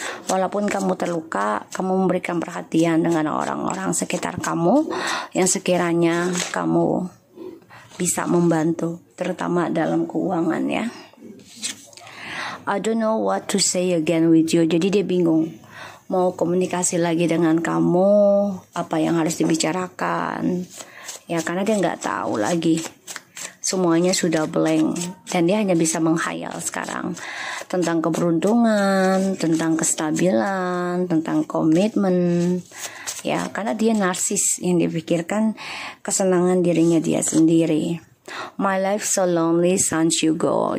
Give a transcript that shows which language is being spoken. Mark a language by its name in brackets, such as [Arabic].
[Indonesian] Walaupun kamu terluka, kamu memberikan perhatian dengan orang-orang sekitar kamu yang sekiranya kamu bisa membantu, terutama dalam keuangan, ya. [English] I don't know what to say again with you. [Indonesian] Jadi dia bingung mau komunikasi lagi dengan kamu, apa yang harus dibicarakan, ya, karena dia nggak tahu lagi. Semuanya sudah blank dan dia hanya bisa menghayal sekarang tentang keberuntungan, tentang kestabilan, tentang komitmen, ya, karena dia narsis yang dipikirkan kesenangan dirinya dia sendiri. [English] My life so lonely since you go.